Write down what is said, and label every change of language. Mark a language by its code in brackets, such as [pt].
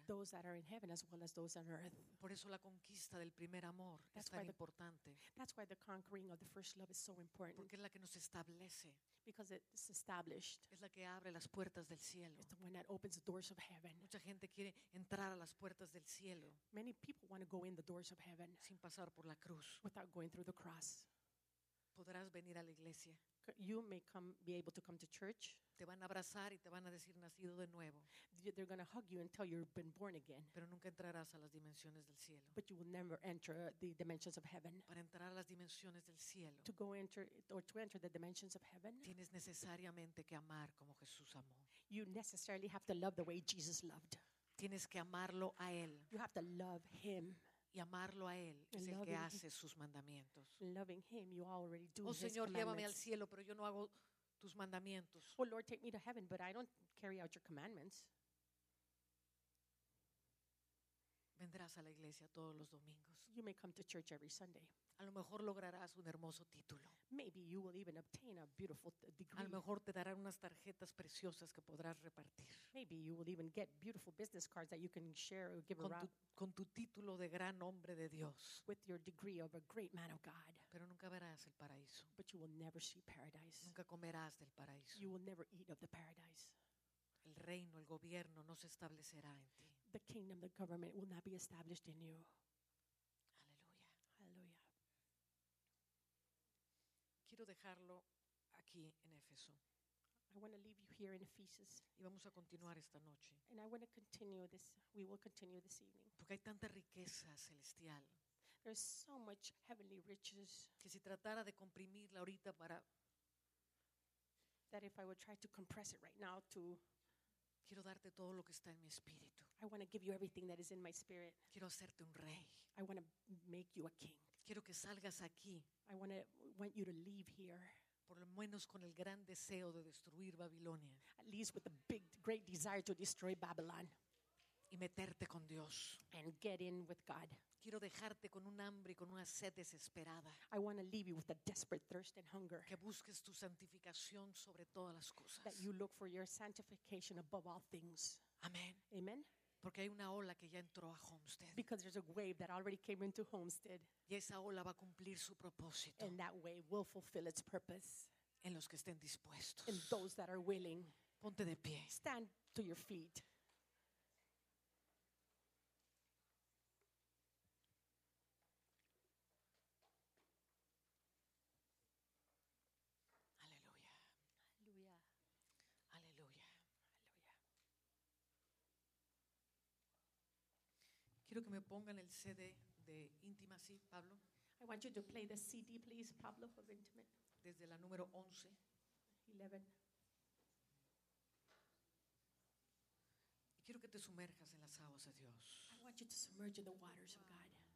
[en] Those that are in heaven as well as those on earth. [es] Por eso la conquista del primer amor es tan importante. [en] That's why the conquering of the first love is so important. [es] Porque es la que nos establece. [en] Because it's established. [es] Es la que abre las puertas del cielo. [en] It's the one that opens the doors of heaven. [es] Mucha gente quiere entrar a las puertas del cielo. [en] Many people want to go in the doors of heaven. [es] Sin pasar por la cruz. [en] Without going through the cross. [es] Podrás venir a la iglesia. [en] You may come, be able to come to church. [es] Te van a abrazar y te van a decir nacido de nuevo. [en] They're going to hug you and tell you you've been born again. [es] Pero nunca entrarás a las dimensiones del cielo. [en] But you will never enter the dimensions of heaven. [es] Para entrar a las dimensiones del cielo. [en] To go enter or to enter the dimensions of heaven. [es] Tienes necesariamente que amar como Jesús amó. [en] You necessarily have to love the way Jesus loved. [es] Tienes que amarlo a él. [en] You have to love him. [es] Y amarlo a él es el que hace sus mandamientos. [en] Loving him, you already do. [es] Oh Señor, llévame al cielo, pero yo no hago tus mandamientos. [en] Oh Lord, take me to heaven, but I don't carry out your commandments. [es] Vendrás a la iglesia todos los domingos. [en] You may come to church every Sunday. [es] A lo mejor lograrás un hermoso título. [en] Maybe you will even obtain a beautiful degree. [es] A lo mejor te darán unas tarjetas preciosas que podrás repartir. [en] Maybe you will even get beautiful business cards that you can share or give around. [es] Con tu título de gran hombre de Dios. [en] With your degree of a great man of God. [es] Pero nunca verás el paraíso. [en] But you will never see paradise. [es] Nunca comerás del paraíso. [en] You will never eat of the paradise. [es] El reino, el gobierno no se establecerá en ti. [en] The kingdom, the government will not be established in you. [es] Aleluya. [en] Aleluya. [es] Quiero dejarlo aquí en Éfeso. [en] I want to leave you here in Ephesus. [es] Y vamos a continuar esta noche. [en] And I want to continue this. We will continue this evening. [es] Porque hay tanta riqueza celestial. [en] There's so much heavenly riches. [es] Que si tratara de comprimirla ahorita para. [en] That if I would try to compress it right now to. [es] Quiero darte todo lo que está en mi espíritu. [en] I want to give you everything that is in my spirit. [es] Quiero hacerte un rey. [en] I want to make you a king. [es] Quiero que salgas aquí. [en] I want you to leave here. [es] Por lo menos con el gran deseo de destruir Babilonia. [en] At least with the big, great desire to destroy Babylon. [es] Y meterte con Dios. [en] And get in with God. [es] Quiero dejarte con un hambre y con una sed desesperada. [en] I want to leave you with a desperate thirst and hunger. [es] Que busques tu santificación sobre todas las cosas. [en] That you look for your sanctification above all things. [es] Amén. [en] Amen. [es] Porque hay una ola que ya entró a Homestead. [en] Because there's a wave that already came into Homestead. [es] Y esa ola va a cumplir su propósito. [en] And that wave will fulfill its purpose. [es] En los que estén dispuestos. [en] In those that are willing. [es] Ponte de pie. [en] Stand to your feet. [es] Aleluya. [en] Aleluya. Aleluya. [es] Quiero que me pongan el CD de Intimacy, Pablo. [en] I want you to play the CD, please, Pablo, of Intimate. [es] Desde la número 11. 11. Y quiero que te sumerjas en las aguas de Dios. [en] I want you to submerge in the waters of God.